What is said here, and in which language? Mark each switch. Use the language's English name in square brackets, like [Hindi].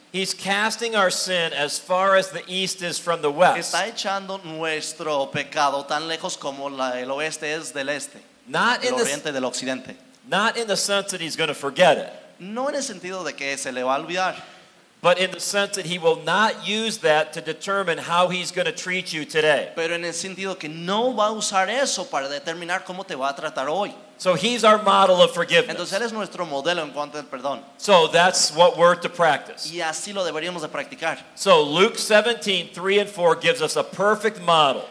[English] he's casting our sin as far as the east is from the west. [Spanish] Está echando nuestro pecado tan lejos como el oeste es del este. [English] Not in [Spanish] the oriente del occidente. [English] Not in the sense that he's going to forget it. [Spanish] No en el sentido de que se le va a olvidar. [English] But in the sense that he will not use that to determine how he's going to treat you today. [Spanish] Pero en el sentido que no va a usar eso para determinar cómo te va a tratar hoy. [English] So he's our model of forgiveness. [Spanish] Entonces él es nuestro modelo en cuanto al perdón. [English] So that's what we're to practice. [Spanish] Y así lo deberíamos de practicar. [English] So Luke 17, 3 and 4 gives us a perfect model.